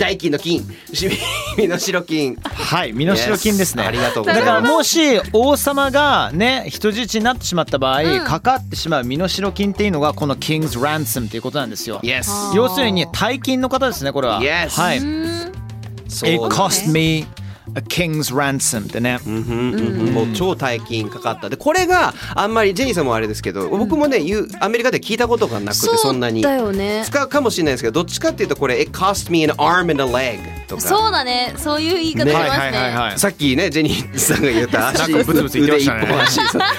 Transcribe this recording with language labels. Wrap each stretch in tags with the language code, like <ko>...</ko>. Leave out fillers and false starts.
<ja>代金の金、身代金。はい、身代金ですね。ありがとうございます。だからもし王様がね、人質になってしまった場合、かかってしまう身代金っていうのがこの King's Ransom っていうことなんですよ。</ja> <en>Yes.</en> <ja>要するに大金の方ですね、これは。</ja> <en>Yes.</en> <ja>はい。</ja> <en>So、It cost me a king's ransom ってね。</en> <ja>もう超大金かかった。で、これがあんまりジェニーさんもあれですけど、僕もね、アメリカで聞いたことがなくて、そんなに。そうだよね。使うかもしれないですけど、どっちかっていうとこれ、</ja> <en>It cost me an arm and a leg</en> <ja>とか。そうだね。そういう言い方ありますね。さっきね、ジェニーさんが言った足、なんかブツブツ言ってましたね。</ja>